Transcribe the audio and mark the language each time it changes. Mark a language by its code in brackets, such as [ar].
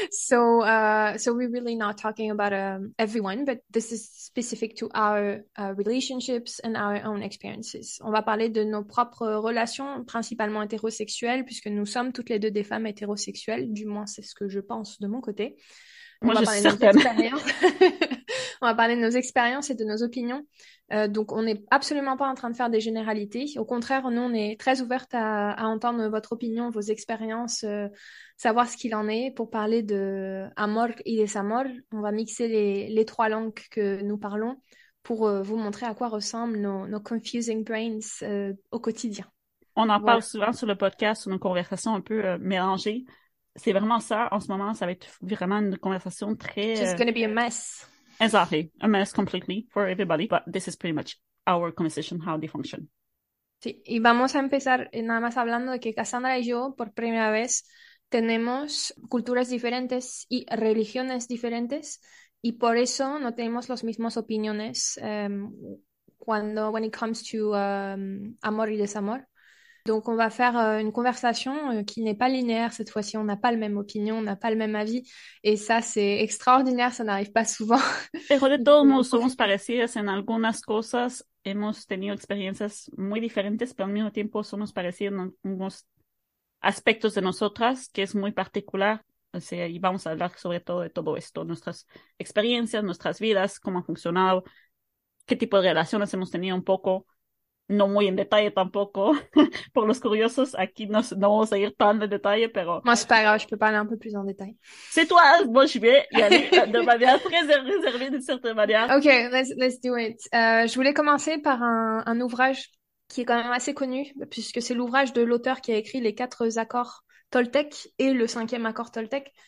[en] so we're really not talking about everyone, but this is specific to our relationships and our own experiences. [fr] On va parler de nos propres relations, principalement hétérosexuelles, puisque nous sommes toutes les deux des femmes hétérosexuelles, du moins c'est ce que je pense de mon côté. On va parler de nos expériences et de nos opinions. Donc, on n'est absolument pas en train de faire des généralités. Au contraire, nous, on est très ouverte à entendre votre opinion, vos expériences, savoir ce qu'il en est. Pour parler de [es] amor y desamor, [fr] on va mixer les trois langues que nous parlons pour vous montrer à quoi ressemblent nos [en] confusing brains [fr] au quotidien. On en parle souvent sur le podcast, sur nos conversations un peu mélangées. C'est vraiment ça. En ce moment, ça va être vraiment une conversation très... [en] It's going to be a mess. Exactly. A mess completely for everybody. But this is pretty much our conversation, how they function. [es] Sí. Y vamos a empezar nada más hablando de que Cassandra y yo, por primera vez, tenemos culturas diferentes y religiones diferentes. Y por eso no tenemos las mismas opiniones [en] when it comes to [es] amor y desamor. [fr] Donc, on va faire une conversation qui n'est pas linéaire cette fois-ci. On n'a pas la même opinion, on n'a pas le même avis. Et ça, c'est extraordinaire, ça n'arrive pas souvent. [es] Pero de todos modos, somos parecidas en algunas cosas. Hemos tenido experiencias muy diferentes, pero al mismo tiempo somos parecidas en algunos aspectos de nosotras, que es muy particular. O sea, y vamos a hablar sobre todo de todo esto, nuestras experiencias, nuestras vidas, cómo han funcionado, qué tipo de relaciones hemos tenido un poco. No muy en detalle tampoco, por los curiosos, aquí no vamos a ir tan en detalle, pero... [fr] Moi, c'est pas grave, je peux parler un peu plus en détail. C'est toi, moi, je vais y aller de manière très réservée d'une certaine manière. [en] Ok, let's do it. [fr] Je voulais commencer par un ouvrage qui est quand même assez connu, puisque c'est l'ouvrage de l'auteur qui a écrit les quatre accords Toltec et le cinquième accord Toltec.